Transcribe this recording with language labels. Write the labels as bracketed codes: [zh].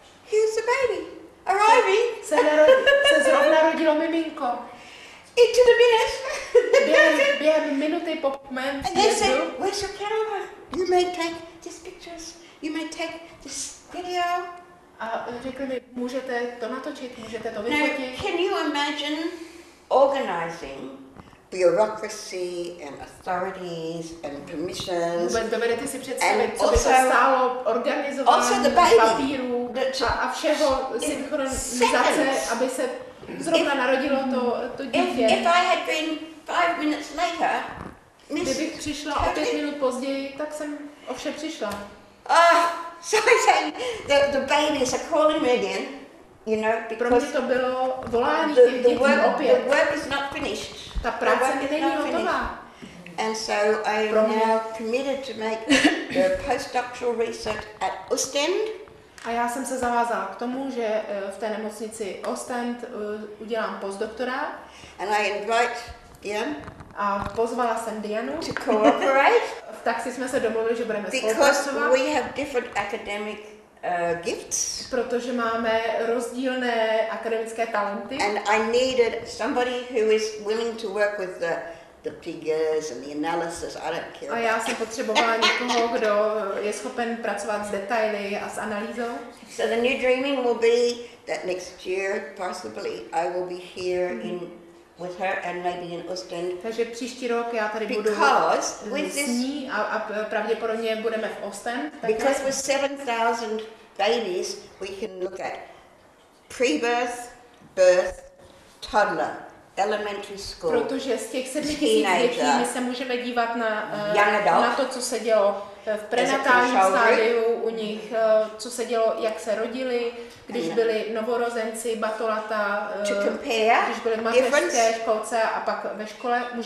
[en] Here's the baby, arriving. [cs] Se zrovna rodilo miminko. [en] Into the minutes. [cs] Během minuty po mém [en] And they say, where's your camera? You may take these pictures, you may take this video. [cs] A řekli mi, můžete to natočit, můžete to vyfotit. [en] Now, can you imagine organizing bureaucracy and authorities and permissions? [cs] Vůbec dovedete si představit, co by to stálo organizování papíru a všeho synchronizace, aby se zrovna narodilo to dítě. [en] If I had been 5 minutes later, [cs] kdybych přišla o 5 minut později, tak jsem o vše přišla. [en] So I said, the babies are calling me again, you know, because [cs] to bylo volání těch dětí opět. [en] The work is not finished. [cs] Ta práce mi není hotová. [en] And so I am now committed to make the postdoctoral research at Ostend. [cs] A já jsem se zavázala k tomu, že v té nemocnici Ostend udělám postdoktora. [en] And I invite Diane. [cs] A pozvala jsem Dianu. [en] To cooperate. [cs] Tak si jsme se domluvili, že budeme spolupracovat. [en] We have different academic gifts. [cs] Protože máme rozdílné akademické talenty. [en] And I needed somebody who is willing to work with the figures and the analysis. I don't care. [cs] A já jsem potřebovala někoho, kdo je schopen pracovat s detaily a s analýzou. [en] So the new dreaming will be that next year possibly I will be here in with her and maybe in Ostend. [cs] Takže příští rok já tady budu s ní a pravděpodobně budeme v Ostend. [en] Because with 7,000 babies we can look at pre-birth, birth, toddler, elementary school. [cs] Protože z těch 7,000 dětí se můžeme dívat na to, co se dělo v prenatálním stádiu u nich, co se dělo, jak se rodili, když byli novorozenci, batolata, když byli v mateřské školce a pak ve škole.